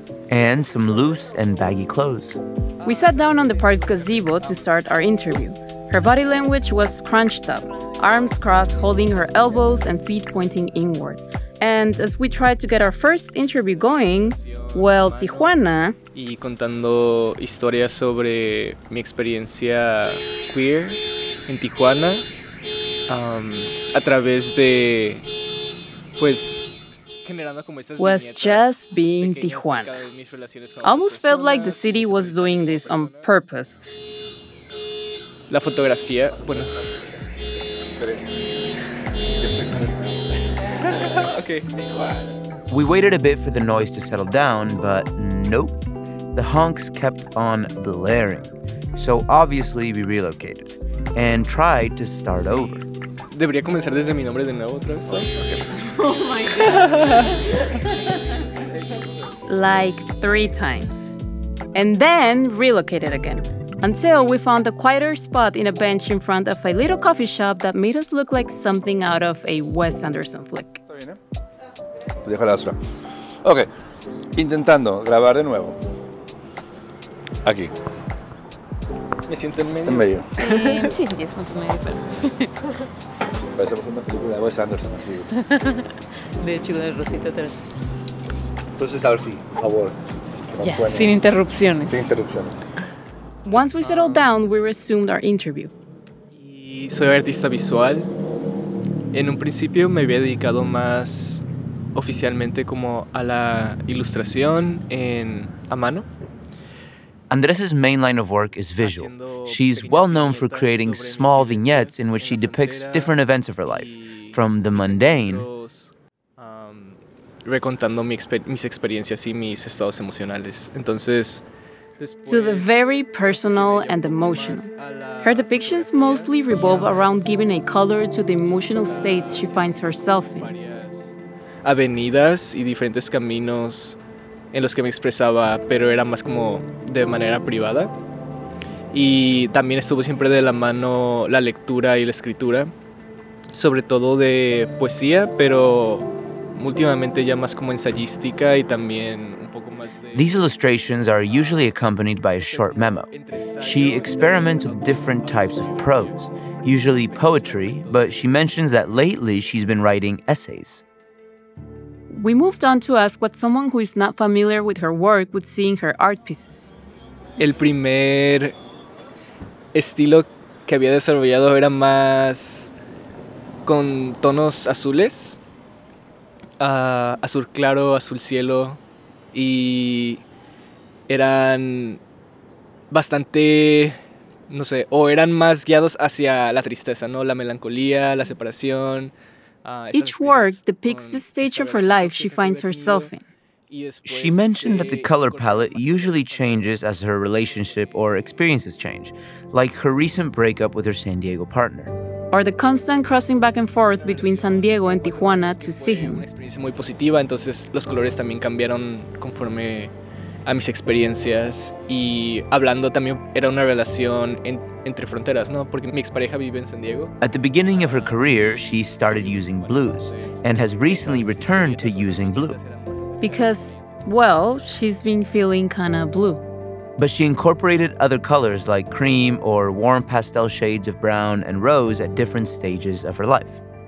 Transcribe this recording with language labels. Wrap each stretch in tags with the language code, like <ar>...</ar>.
<en>and some loose and baggy clothes. We sat down on the park's gazebo to start our interview. Her body language was crunched up, arms crossed, holding her elbows and feet pointing inward. And as we tried to get our first interview going, well, Tijuana...</en> <es>Y contando historias sobre mi experiencia queer en Tijuana, a través de, pues,</es> <en>was just being Tijuana. Almost felt like the city was doing this on purpose.</en> <es>La fotografía, bueno.</es> <en>Okay. We waited a bit for the noise to settle down, but nope. The honks kept on blaring. So obviously we relocated and tried to start over.</en> <es>Debería comenzar desde mi nombre de nuevo otra vez.</es> <en>Oh, okay. Oh my god. Like 3 times. And then relocated again. Until we found a quieter spot in a bench in front of a little coffee shop that made us look like something out of a Wes Anderson flick.</en> <es>Deja la basura.</es> <en>Okay.</en> <es>Intentando grabar de nuevo. Aquí. Me siento en medio. En medio. Sí, sí, sí, es punto medio, pero. Parece una película de Wes Anderson, así. De hecho, con el rosito atrás. Entonces, a ver si, por favor. Ya, sin interrupciones. Sin interrupciones.</es> <en>Once we settled down, we resumed our interview.</en> <es>Y soy artista visual. En un principio me había dedicado más oficialmente como a la ilustración en a mano.</es> <en>Andrés's main line of work is visual. She's well known for creating small vignettes in which she depicts different events of her life, from the mundane,</en> <es>recontando mis experiencias y mis estados emocionales. Entonces,</es> <en>to the very personal and emotional. Her depictions mostly revolve around giving a color to the emotional states she finds herself in.</en> <es>Avenidas y diferentes caminos en los que me expresaba, pero era más como de manera privada. Y también estuvo siempre de la mano la lectura y la escritura, sobre todo de poesía, pero últimamente ya más como ensayística y también un poco más de.</es> <en>These illustrations are usually accompanied by a short memo. She experiments with different types of prose, usually poetry, but she mentions that lately she's been writing essays. We moved on to ask what someone who is not familiar with her work would see in her art pieces.</en> <es>El primer estilo que había desarrollado era más con tonos azules, azul claro, azul cielo, y eran bastante, no sé, o eran más guiados hacia la tristeza, ¿no? La melancolía, la separación.</es> <en>Each work depicts the stage of her life she finds herself in. She mentioned that the color palette usually changes as her relationship or experiences change, like her recent breakup with her San Diego partner. Or the constant crossing back and forth between San Diego and Tijuana to see him.</en> <es>Una experiencia muy positiva, entonces los colores también cambiaron conforme a mis experiencias. Y hablando también era una relación entre fronteras, ¿no? Porque mi expareja vive en San Diego.</es> <en>At the beginning of her career, she started using blues and has recently returned to using blue. Because, well, she's been feeling kind of blue. But she incorporated other colors like cream or warm pastel shades of brown and rose at different stages of her life.</en>